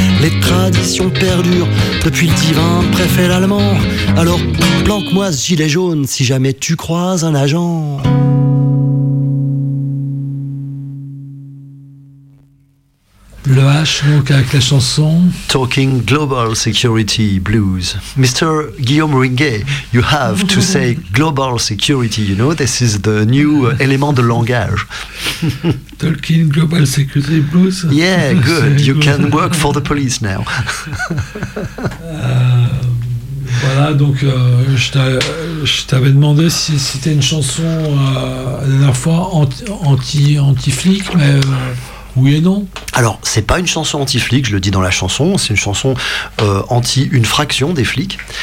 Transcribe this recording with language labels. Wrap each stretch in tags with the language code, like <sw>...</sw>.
<fr>Les traditions perdurent depuis le divin préfet l'allemand. Alors planque-moi ce gilet jaune si jamais tu croises un agent. Le H, donc, avec la chanson...</fr> <en>Talking Global Security Blues. Mr. Guillaume Ringuet, you have to say global security, you know, this is the new</en> <fr>élément de langage.</fr> <en>Talking Global Security Blues. Yeah, good, you can work for the police now.</en> <fr>voilà, donc, je t'avais demandé si c'était une chanson, la dernière fois, anti-flic, mais... Oui et non. Alors, c'est pas une chanson anti-flic, je le dis dans la chanson, c'est une chanson anti une fraction des flics.</fr>